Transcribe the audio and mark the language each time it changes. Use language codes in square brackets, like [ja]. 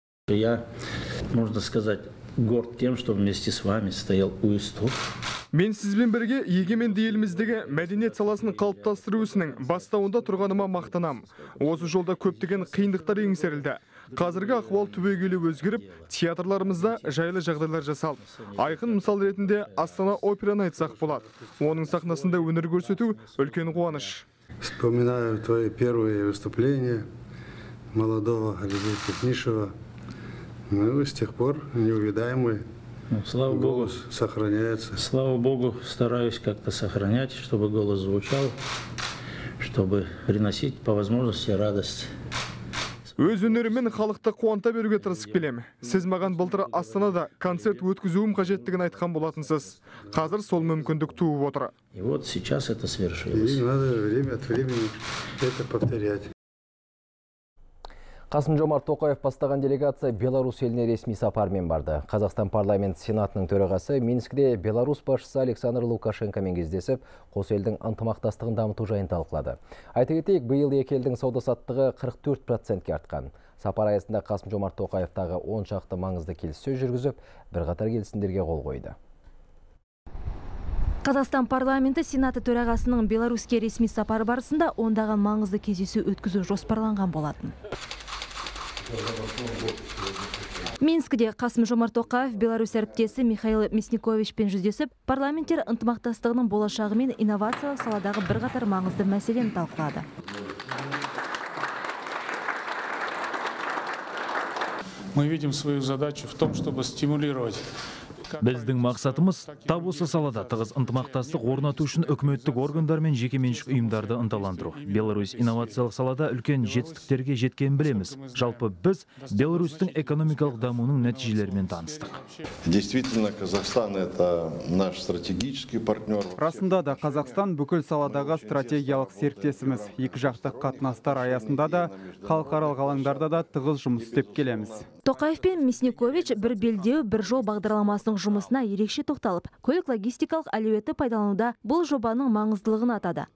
[ru] Я, можно сказать, горд тем, что вместе с вами стоял у истоков. [kk] Мен сізбен бірге егеменді еліміздегі мәдениет саласын қалыптастыру ісінің бастауында тұрғаныма мақтанам. Осы жолда көптеген қиындықтар еңсерілді. Қазіргі ахуал түбегейлі өзгеріп, театрларымызда жайлы жағдайлар жасалды. Айқын мысал ретінде Астана операны айтсақ болады. Оның сахнасында өнер көрсету үлкен қуаныш. [ru] Вспоминаю твои первые выступления молодого Алибека Тынышева. Ну, с тех пор неувидаемый. Слава Богу, сохраняется. Слава Богу, стараюсь как-то сохранять, чтобы голос звучал, чтобы приносить по возможности радость. [kk] Өз өнерімен халықты қуанта беруге тырысып келемін. Сіз маған былтыр Астанада концерт өткізуім қажеттігін айтқан болатынсыз. Қазір сол мүмкіндік туып отыр. [ru] И вот сейчас это свершилось. И надо время от времени это повторять. [kk] Қасым Жомарт Тоқаев бастаған делегация Беларусь еліне ресми сапармен барды. Қазақстан парламент сенатының төрағасы Минскіде Беларусь басшысы Александр Лукашенкомен кездесіп, қос елдің ынтымақтастығын дамыту жайын талқылады. Айта кетейік, биыл екі елдің сауда-саттығы 44%-ке артқан. Сапар аясында Қасым Жомарт Тоқаев тағы 10 шақты маңызды келіссөз жүргізіп, бірқатар келісімдерге қол қойды. Қазақстан парламенті сенаты төрағасының Беларуське ресми сапары барысында ондаған маңызды кездесу өткізу жоспарланған болатын. Минскіде Қасым Жомарт Тоқаев, Беларусь әріптесі Михаил Мясниковичпен жүздесіп, парламенттер ынтымақтастығының болашағы мен инновациялық саладағы бірқатар маңызды мәселені талқылады. [ru] Мы видим свою задачу в том, чтобы стимулировать. [kk] Біздің мақсатымыз тап осы салада тығыз ынтымақтастық орнату үшін үкіметтік органдар мен жекеменшік ұйымдарды ынталандыру. Беларусь инновациялық салада үлкен жетістіктерге жеткен білеміз. Жалпы біз Беларусьтің экономикалық дамуының нәтижелерімен таныстық. [ru] Действительно, Казахстан это наш стратегический партнер. [kk] Расында да Қазақстан бүкіл саладағы стратегиялық серіктесіміз. Екіжақты қатынастар аясында да халықаралық алаңдарда да тығыз жұмыс істеп келеміз. Тоқаев пен Мясникович бір белдеу, бір жол бағдарламасының жұмысына ерекше тоқталып, көлік-логистикалық әлеуетті пайдалануда бұл жобаның маңыздылығын атады.